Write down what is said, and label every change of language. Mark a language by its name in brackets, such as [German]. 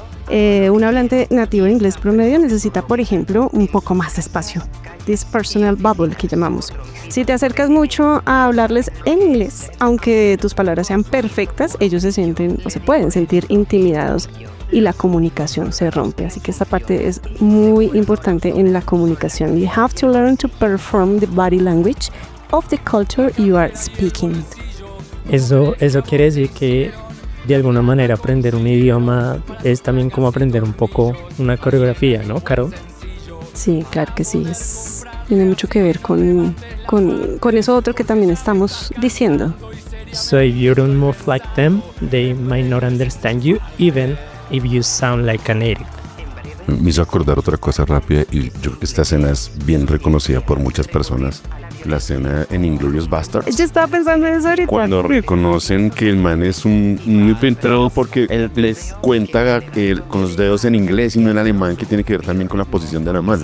[Spanish] Un hablante nativo de inglés promedio necesita, por ejemplo, un poco más de espacio. [English] This personal bubble [Spanish] que llamamos. Si te acercas mucho a hablarles en inglés, aunque tus palabras sean perfectas, ellos se sienten o se pueden sentir intimidados y la comunicación se rompe. Así que esta parte es muy importante en la comunicación. [English] You have to learn to perform the body language of the culture you are speaking. [Spanish] Eso quiere decir que de alguna manera aprender un idioma es también como aprender un poco una coreografía, ¿no, Caro? Sí, claro que sí, tiene mucho que ver con eso otro que también estamos diciendo. [English] So if you don't move like them, they might not understand you, even if you sound like a native. [Spanish] Me hizo acordar otra cosa rápida, y yo creo que esta escena es bien reconocida por muchas personas. La escena en Inglourious Basterds. Yo estaba pensando en eso ahorita. Cuando reconocen que el man es un infiltrado porque él les cuenta con los dedos en inglés y no en alemán, que tiene que ver también con la posición de la mano.